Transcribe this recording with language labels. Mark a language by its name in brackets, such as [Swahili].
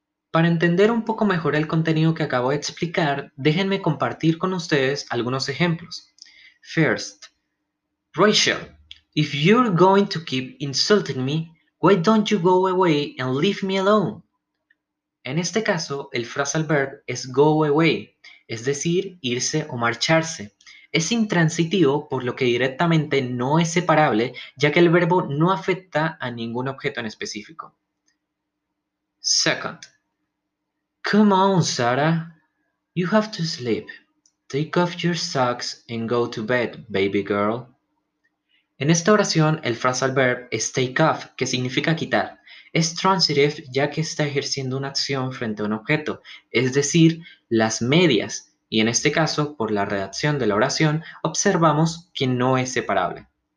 [Spanish] Para entender un poco mejor el contenido que acabo de explicar, déjenme compartir con ustedes algunos ejemplos. [English] First, Rachel, if you're going to keep insulting me, why don't you go away and leave me alone? [Spanish] En este caso, el phrasal verb es go away, es decir, irse o marcharse. Es intransitivo, por lo que directamente no es separable, ya que el verbo no afecta a ningún objeto en específico. [English] Second, come on, Sarah. You have to sleep. Take off your socks and go to bed, baby girl. [Spanish] En esta oración, el phrasal verb es take off, que significa quitar. Es transitive ya que está ejerciendo una acción frente a un objeto, es decir, las medias. Y en este caso, por la redacción de la oración, observamos que no es separable.